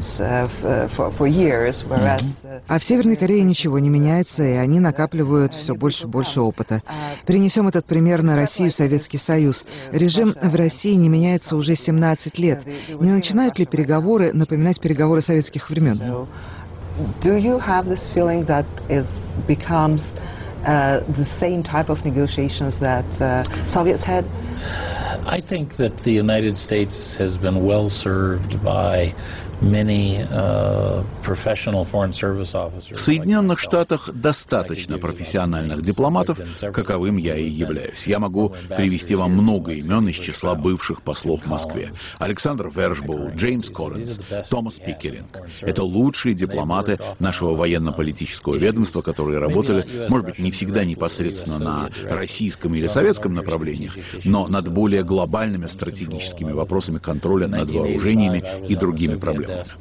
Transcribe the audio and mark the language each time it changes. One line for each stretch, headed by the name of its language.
Russian: А в Северной Корее ничего не меняется, и они накапливают все больше и больше опыта. Перенесем этот пример на Россию, Советский Союз. Режим в России не меняется уже 17 лет. Не начинают ли переговоры напоминать переговоры советских времен?
English: Do you have this feeling that it becomes the same type of negotiations that Soviets had? I think that the United States has been well served by many professional foreign service officers.
Russian: В Соединенных Штатах достаточно профессиональных дипломатов, каковым я и являюсь. Я могу привести вам много имен из числа бывших послов в Москве. Александр Вершбоу, Джеймс Коллинз, Томас Пикеринг. Это лучшие дипломаты нашего военно-политического ведомства, которые работали, может быть, не всегда непосредственно на российском или советском направлениях, но над более глобальными стратегическими вопросами контроля над вооружениями и другими проблемами.